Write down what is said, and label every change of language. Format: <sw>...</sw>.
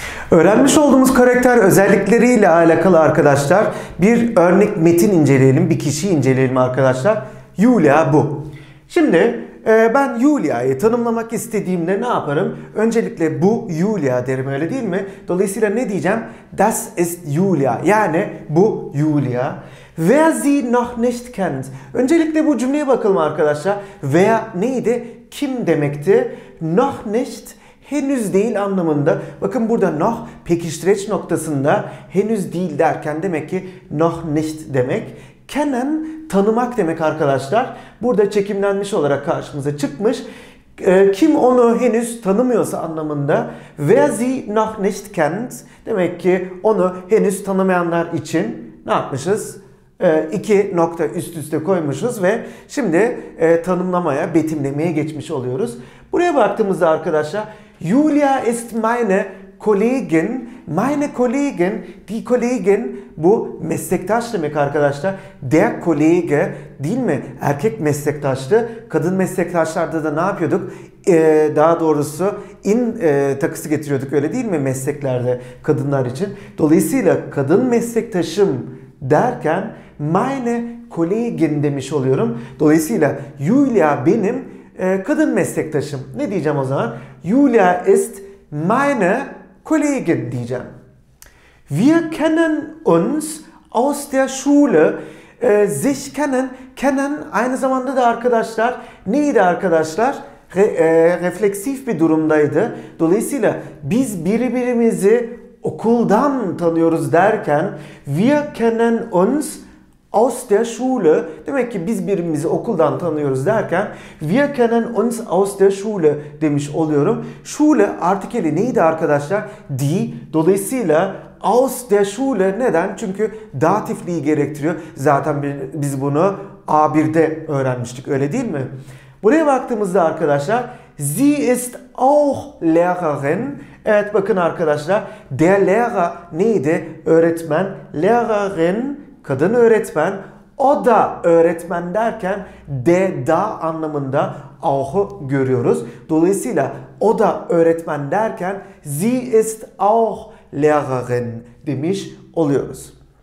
<tr>Öğrenmiş olduğumuz karakter özellikleriyle alakalı arkadaşlar bir örnek metin inceleyelim, bir kişiyi inceleyelim arkadaşlar. Julia bu. Şimdi ben Julia'yı tanımlamak istediğimde ne yaparım? Öncelikle bu Julia derim öyle değil mi? Dolayısıyla ne diyeceğim?</tr> <de>Das ist Julia.</de> <tr>Yani bu Julia.</tr> <de>Wer sie noch nicht kennt.</de> <tr>Öncelikle bu cümleye bakalım arkadaşlar. Wer neydi? Kim demekti?</tr> <de>Noch nicht</de> <tr>henüz değil anlamında. Bakın burada noch pekiştireç noktasında henüz değil derken demek ki</tr> <de>noch nicht</de> <tr>demek. Kennen tanımak demek arkadaşlar. Burada çekimlenmiş olarak karşımıza çıkmış. Kim onu henüz tanımıyorsa anlamında.</tr> <de>Wer sie noch nicht kennt.</de> <tr>Demek ki onu henüz tanımayanlar için ne yapmışız? İki nokta üst üste koymuşuz ve şimdi tanımlamaya, betimlemeye geçmiş oluyoruz. Buraya baktığımızda arkadaşlar</tr> <de>Julia ist meine Kollegin. Meine Kollegin, die Kollegin</de> <tr>bu meslektaş demek arkadaşlar.</tr> <de>Der Kollege</de> <tr>değil mi? Erkek meslektaştı. Kadın meslektaşlarda da ne yapıyorduk? Daha doğrusu in takısı getiriyorduk öyle değil mi mesleklerde kadınlar için? Dolayısıyla kadın meslektaşım derken</tr> <de>meine Kollegin</de> <tr>demiş oluyorum. Dolayısıyla Julia benim kadın meslektaşım. Ne diyeceğim o zaman?</tr> <de>Julia ist meine Kollegin</de> <tr>diyeceğim.</tr> <de>Wir kennen uns aus der Schule. Sich kennen.</de> <tr>Kennen aynı zamanda da arkadaşlar neydi arkadaşlar? Refleksif bir durumdaydı. Dolayısıyla biz birbirimizi okuldan tanıyoruz derken</tr> <de>wir kennen uns aus der Schule.</de> <tr>Demek ki biz birbirimizi okuldan tanıyoruz derken</tr> <de>wir kennen uns aus der Schule</de> <tr>demiş oluyorum. Schule artikeli neydi arkadaşlar? Die. Dolayısıyla</tr> <de>aus der Schule</de> <tr>neden? Çünkü datifliği gerektiriyor. Zaten biz bunu A1'de öğrenmiştik öyle değil mi? Buraya baktığımızda arkadaşlar</tr> <de>sie ist auch Lehrerin.</de> <tr>Evet bakın arkadaşlar der Lehrer neydi? Öğretmen. Lehrerin kadın öğretmen. O da öğretmen derken de da anlamında auch'u görüyoruz. Dolayısıyla o da öğretmen derken</tr> <de>sie ist auch Lehrerin</de> <tr>demiş oluyoruz.</tr>